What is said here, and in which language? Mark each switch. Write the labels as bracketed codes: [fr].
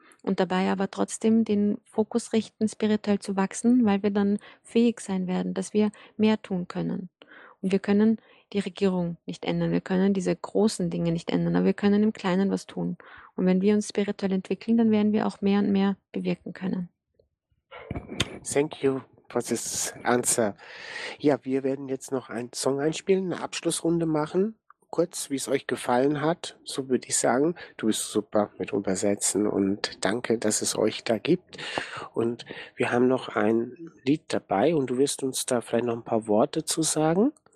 [de] Und dabei aber trotzdem den Fokus richten, spirituell zu wachsen, weil wir dann fähig sein werden, dass wir mehr tun können. Wir können die Regierung nicht ändern. Wir können diese großen Dinge nicht ändern, aber wir können im Kleinen was tun. Und wenn wir uns spirituell entwickeln, dann werden wir auch mehr und mehr bewirken können. [en] Thank you for this answer. [de] Ja, wir werden jetzt noch einen Song einspielen, eine Abschlussrunde machen. Kurz, wie es euch gefallen hat, so würde ich sagen. Du bist super mit Übersetzen und danke, dass es euch da gibt. Und wir haben noch ein Lied dabei und du wirst uns da vielleicht noch ein paar Worte zu sagen.